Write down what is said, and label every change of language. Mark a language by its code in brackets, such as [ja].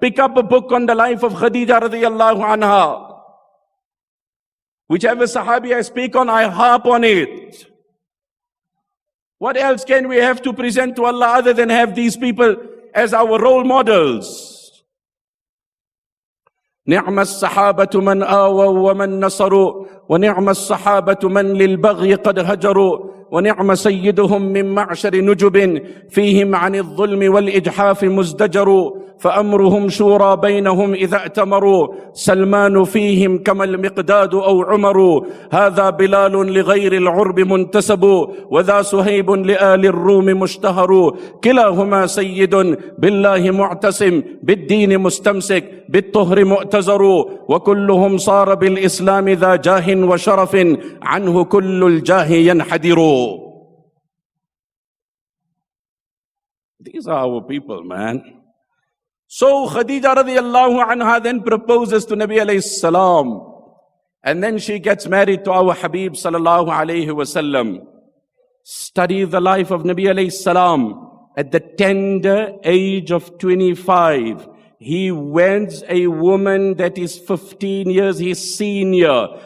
[en] Pick up a book on the life of Khadija radiallahu anha. Whichever sahabi I speak on, I harp on it. What else can we have to present to Allah other than have these people as our role models? [ar] نعم الصحابة من آووا ومن نصروا ونعم الصحابة من للبغي قد هجروا ونعم سيدهم من معشر نجب فيهم عن الظلم والإجحاف مزدجروا فأمرهم شورى بينهم إذا أتمروا سلمان فيهم كما المقداد أو عمر هذا بلال لغير العرب منتسب وذا صهيب لآل الروم مشتهر كلاهما سيد بالله معتصم بالدين مستمسك بالطهر مؤتزر وكلهم صار بالإسلام ذا جاه وشرف عنه كل الجاه ينحدر. [en] These are our people, man. So Khadija radiallahu anha then proposes to Nabi alayhi salam. And then she gets married to our Habib sallallahu alayhi wa sallam. Study the life of Nabi alayhi salam. At the tender age of 25, he weds a woman that is 15 years his senior.